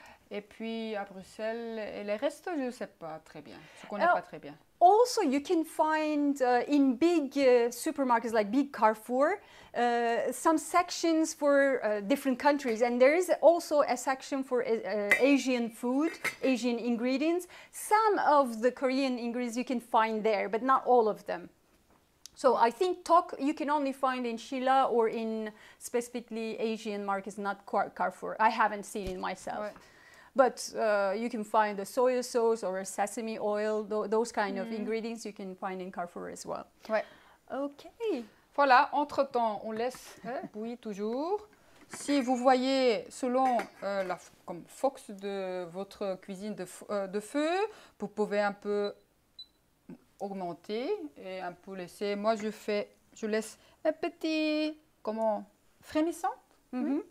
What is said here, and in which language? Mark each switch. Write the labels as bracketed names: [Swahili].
[French] Et puis à Bruxelles et les restos, je ne sais pas très bien. Je ne connais pas très bien. [English] Also, you can find in big supermarkets like big Carrefour some sections for different countries, and there is also a section for Asian food, Asian ingredients. Some of the Korean ingredients you can find there, but not all of them. So I think talk you can only find in Shilla or in specifically Asian markets, not Carrefour. I haven't seen it myself. Right. But you can find the soy sauce or sesame oil, those kind of ingredients you can find in Carrefour as well. [French] Ouais. Okay. Voilà, entre-temps, on laisse bouillir toujours. Si vous voyez, selon la comme fox de votre cuisine de feu, vous pouvez un peu augmenter et un peu laisser. Moi, je laisse un petit, frémissant. Mm-hmm.